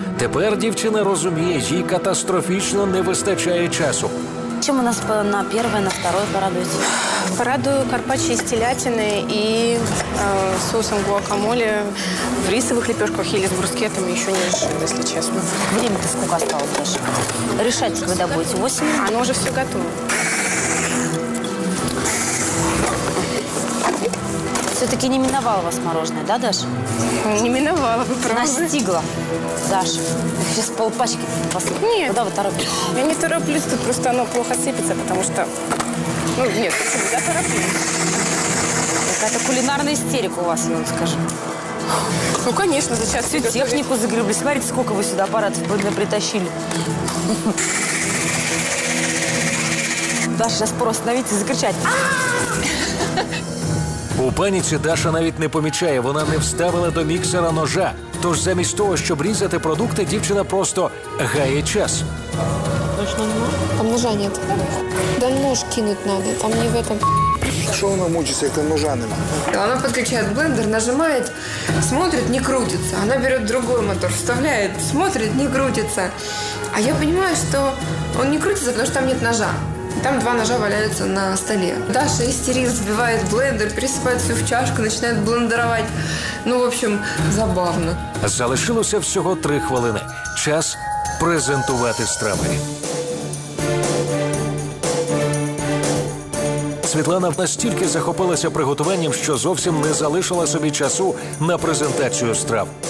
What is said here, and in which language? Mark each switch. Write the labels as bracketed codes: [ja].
[uk] Тепер дівчина розуміє, їй катастрофічно не вистачає часу. Чим у нас на перше, [ru] на второе [uk] порадуєте? Порадую карпаччо з телятиною і соусом гуакамолі в рисових лепешках і з брускетами, ще не рішив, якщо чесно. [ru] Время-то [uk] скільки [ru] осталось, Даша? [uk] Рішайте, коли будете? 8? Воно вже все готове. [ru] Все-таки не миновало вас мороженое, да, Даша? Не миновало, вы правы. Настигла. Даша, сейчас полпачки посыпь. Нет. Куда вы торопитесь? Я не тороплюсь, тут просто оно плохо сыпется, потому что... Ну, нет, я тороплюсь. Какая-то кулинарная истерика у вас, я вам скажу. Ну, конечно, сейчас всю технику загребли. Смотрите, сколько вы сюда аппаратов притащили. Даша, сейчас пора остановить и закричать. [uk] У паніці Даша навіть не помічає, вона не вставила до міксера ножа. Тож замість того, щоб різати продукти, дівчина просто гає час. Точно немає? Там ножа немає. Да нож кинути треба, там не в цьому. Що вона мучиться, як там ножа немає? Вона підключає блендер, нажимає, смотрить, не крутиться. Вона бере другий мотор, вставляє, смотрить, не крутиться. А я розумію, що він не крутиться, тому що там немає ножа. [ru] Там два ножа валяются на столе. Даша истерит, сбивает блендер, пересыпает все в чашку, начинает блендеровать. Ну, в общем, забавно. [uk] Залишилося всього три хвилини. Час презентувати страви. Світлана настільки захопилася приготуванням, що зовсім не залишила собі часу на презентацію страв.